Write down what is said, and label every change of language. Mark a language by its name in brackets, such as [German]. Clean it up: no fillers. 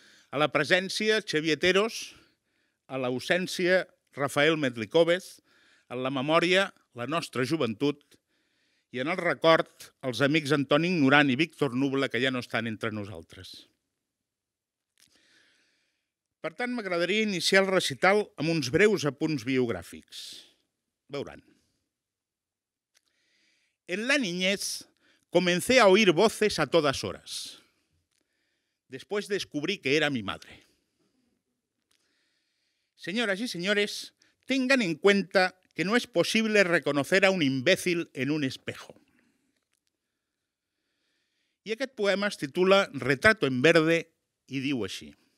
[Catalan] A la presència, Xavier Teros, a l'ausència, Rafael Medlikóvez, en la memòria, la nostra joventut, i en el record, els amics Antoni Ignorant i Víctor Nuble, que ja no estan entre nosaltres. Per tant, m'agradaria iniciar el recital amb uns breus apunts biogràfics. Veuran. [Spanish] En la niñez comencé a oír voces a todas horas. Después descubrí que era mi madre. Señoras y señores, tengan en cuenta que no es posible reconocer a un imbécil en un espejo. [Catalan] I aquest poema es titula Retrato en verde i diu així.